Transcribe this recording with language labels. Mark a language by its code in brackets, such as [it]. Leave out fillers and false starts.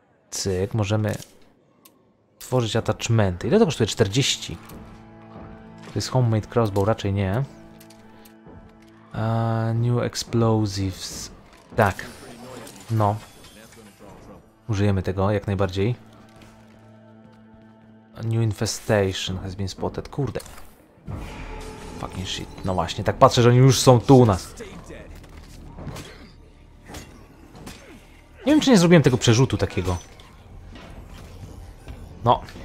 [pl] cyk, możemy tworzyć attachmenty. Ile to kosztuje? 40. To jest homemade crossbow, raczej nie. [en] New explosives. [pl] Tak. No. Użyjemy tego jak najbardziej. [en] A new infestation has been spotted. Kurde. Fucking shit. [pl] No właśnie, tak patrzę, że oni już są tu u nas. Nie wiem, czy nie zrobiłem tego przerzutu takiego. No.